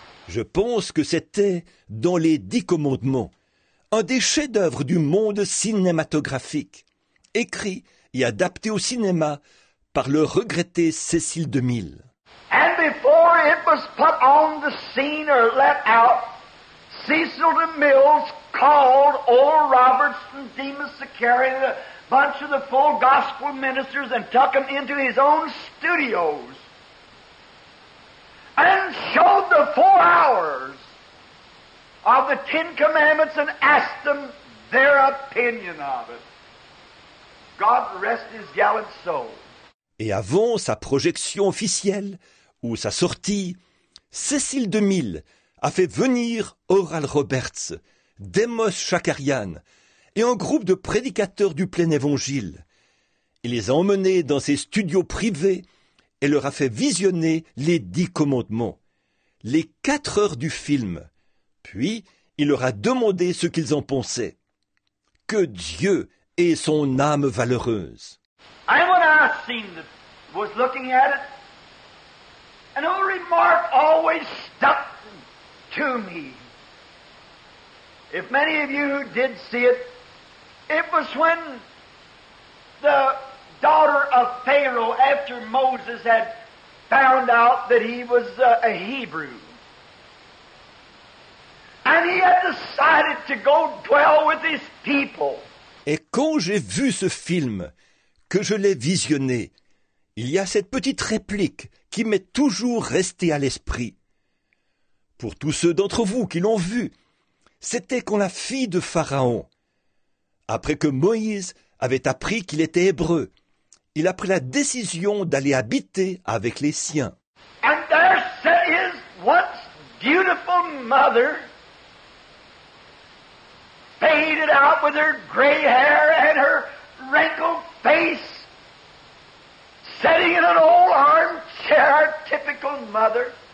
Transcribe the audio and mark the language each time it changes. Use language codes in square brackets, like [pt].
[fr] Je pense que c'était dans les Dix Commandements, un des chefs-d'œuvre du monde cinématographique, écrit et adapté au cinéma par le regretté Cecil DeMille. [en] And before it was put on the scene or let out, Cecil DeMille called Old Roberts and Demas Zachary, the bunch of the full gospel ministers, and took them into his own studios and showed the 4 hours of the Ten Commandments and asked them their opinion of it. God rest his gallant soul. [fr] Et avant sa projection officielle ou sa sortie, Cecil DeMille a fait venir Oral Roberts, Demos Chakarian et un groupe de prédicateurs du plein évangile. Il les a emmenés dans ses studios privés et leur a fait visionner les 10 commandements, les 4 heures du film. Puis, il leur a demandé ce qu'ils en pensaient. Que Dieu ait son âme valeureuse. [en] I, when I seen it, was looking at it, an old remark always stuck to me. If many of you who did see it, it was when the daughter of Pharaoh, after Moses had found out that he was a Hebrew, and he had decided to go dwell with his people. [fr] Et quand j'ai vu ce film, que je l'ai visionné, il y a cette petite réplique qui m'est toujours restée à l'esprit. Pour tous ceux d'entre vous qui l'ont vu, c'était quand la fille de Pharaon, après que Moïse avait appris qu'il était hébreu, il a pris la décision d'aller habiter avec les siens. [en] And there sat his once beautiful mother, faded out with her gray hair and her wrinkled face, sitting in an old armchair, typical mother.